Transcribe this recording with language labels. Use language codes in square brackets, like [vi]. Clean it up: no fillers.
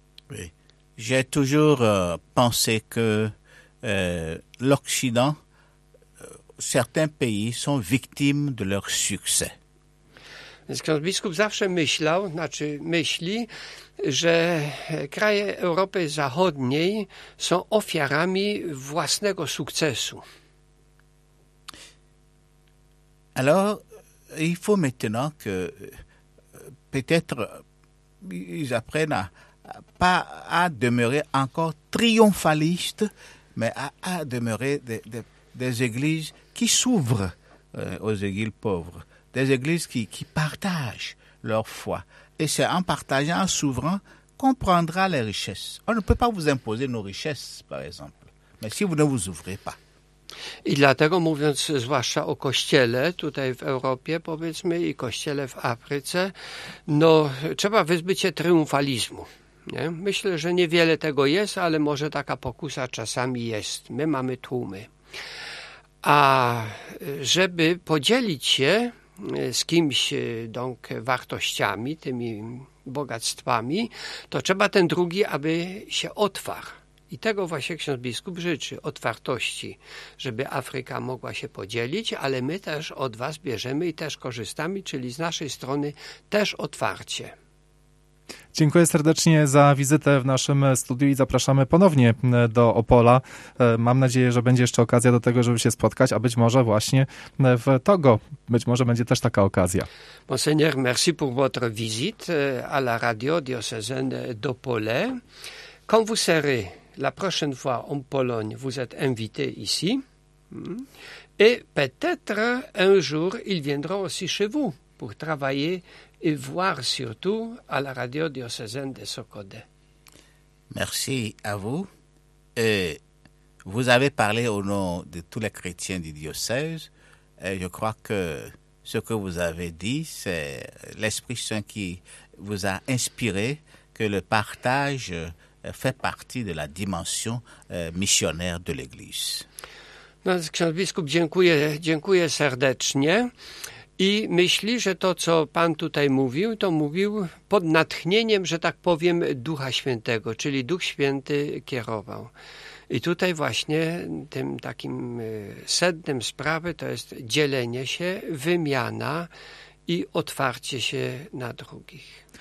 [fr] Oui, j'ai toujours pensé que l'Occident, certains pays sont victimes de leur succès. [pl] Ksiądz biskup zawsze myślał, znaczy myśli, że kraje Europy Zachodniej są ofiarami własnego sukcesu. [fr] Alors, il faut maintenant que peut-être ils apprennent à demeurer encore triomphalistes, mais à demeurer des églises qui s'ouvrent aux églises pauvres. Des églises qui partagent leur foi. Et c'est en partageant, en s'ouvrant, qu'on prendra les richesses. On ne peut pas vous imposer nos richesses, par exemple. Mais si vous ne vous ouvrez pas. [pl] I dlatego, mówiąc zwłaszcza o kościele tutaj w Europie, powiedzmy, i kościele w Afryce, no, trzeba wyzbyć się triumfalizmu. Nie? Myślę, że niewiele tego jest, ale może taka pokusa czasami jest. My mamy tłumy. A żeby podzielić się z kimś wartościami, tymi bogactwami, to trzeba ten drugi, aby się otwarł. I tego właśnie ksiądz biskup życzy, otwartości, żeby Afryka mogła się podzielić, ale my też od was bierzemy i też korzystamy, czyli z naszej strony też otwarcie. Dziękuję serdecznie za wizytę w naszym studiu i zapraszamy ponownie do Opola. Mam nadzieję, że będzie jeszcze okazja do tego, żeby się spotkać, a być może właśnie w Togo. Być może będzie też taka okazja. [fr] Monseigneur, merci pour votre visite à la radio diocésaine d'Opole. Quand vous serez la prochaine fois en Pologne, vous êtes invité ici. Et peut-être un jour, ils viendront aussi chez vous pour travailler et voir surtout à la radio diocésaine de Sokode. Merci à vous. Et vous avez parlé au nom de tous les chrétiens du diocèse. Et je crois que ce que vous avez dit, c'est l'Esprit Saint qui vous a inspiré, que le partage fait partie de la dimension missionnaire de l'Église. [pl] No, ksiądz biskup, dziękuję serdecznie. I myśli, że to, co Pan tutaj mówił, to mówił pod natchnieniem, że tak powiem, Ducha Świętego, czyli Duch Święty kierował. I tutaj właśnie tym takim sednem sprawy to jest dzielenie się, wymiana i otwarcie się na drugich.